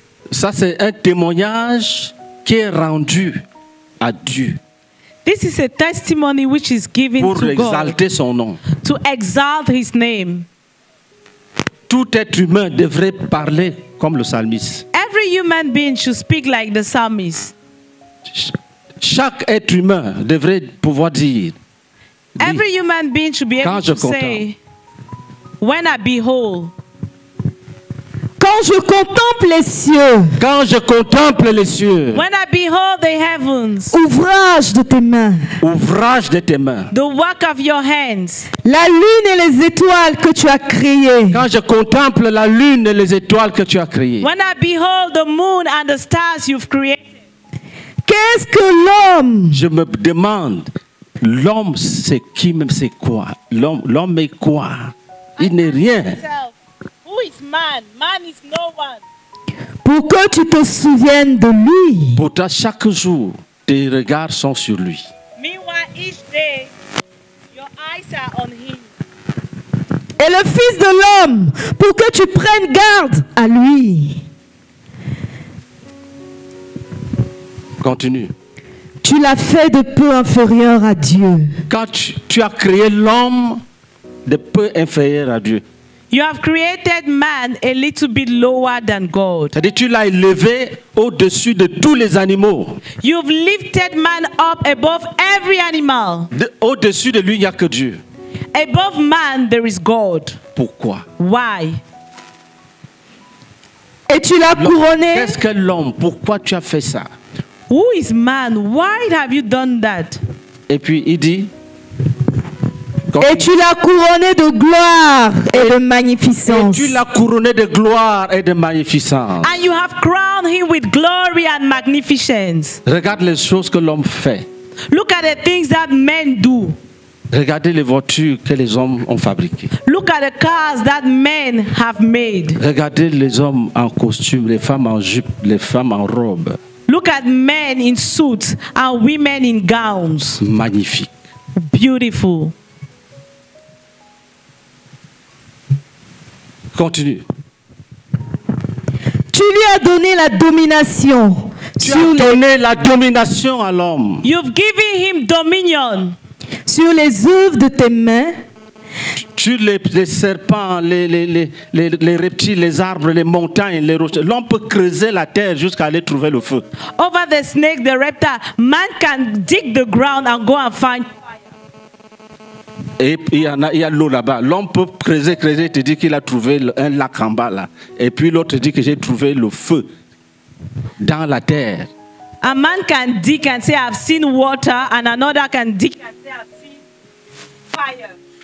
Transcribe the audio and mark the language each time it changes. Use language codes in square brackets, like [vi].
[fr] Ça, c'est un témoignage qui est rendu à Dieu. [en] This is a testimony which is given [fr] pour [en] to God. [fr] Pour exalter son nom. [en] To exalt his name. [fr] Tout être humain devrait parler comme le psalmiste. [en] Every human being should speak like the psalmist. [fr] Chaque être humain devrait pouvoir dire. [en] Every human being should be able [fr] quand [en] to [fr] contemple. [en] Say, when I behold. [fr] Quand je contemple les cieux. Quand je contemple les cieux. [en] When I behold the heavens. [fr] Ouvrage de tes mains. Ouvrage de tes mains. [en] The work of your hands. [fr] La lune et les étoiles que tu as créées. Quand je contemple la lune et les étoiles que tu as créées. [en] When I behold the moon and the stars you've created. [fr] Qu'est-ce que l'homme? Je me demande, l'homme c'est qui même, c'est quoi? L'homme est quoi? Il n'est rien. [en] Man is no one. [fr] Pour que tu te souviennes de lui. Pourtant, chaque jour, tes regards sont sur lui. [en] Meanwhile, each day, your eyes are on him. [fr] Et le fils de l'homme, pour que tu prennes garde à lui. Continue. Tu l'as fait de peu inférieur à Dieu. Quand tu as créé l'homme de peu inférieur à Dieu. [en] You have created man a little bit lower than God. [fr] C'est-à-dire tu l'as élevé au-dessus de tous les animaux. [en] You've lifted man up above every animal. [fr] Au-dessus de lui, il n'y a que Dieu. [en] Above man, there is God. [fr] Pourquoi? [en] Why? [fr] Et tu l'as couronné. Qu'est-ce que l'homme? Pourquoi tu as fait ça? [en] Who is man? Why have you done that? [fr] Et puis il dit. Et tu l'as couronné de gloire et de magnificence. Et tu l'as couronné de gloire et de magnificence. [en] And you have crowned him with glory and magnificence. [fr] Regarde les choses que l'homme fait. [en] Look at the things that men do. [fr] Regardez les voitures que les hommes ont fabriquées. [en] Look at the cars that men have made. [fr] Regardez les hommes en costume, les femmes en jupe, les femmes en robe. [en] Look at men in suits and women in gowns. [fr] Magnifique. [en] Beautiful. [fr] Continue. Tu lui as donné la domination. Tu as donné la domination à l'homme. [en] You've given him dominion. [fr] Sur les œuvres de tes mains. Sur les serpents, les reptiles, les arbres, les montagnes, les rochers. L'homme peut creuser la terre jusqu'à aller trouver le feu. [en] Over the snake, the reptile, man can dig the ground and go and find. [fr] Et il y a l'eau là-bas. L'homme peut creuser, te dire qu'il a trouvé un lac en bas là. Et puis l'autre dit que j'ai trouvé le feu dans la terre. [en] A man can dig and say, I've seen water, and another can dig and say, I've seen fire.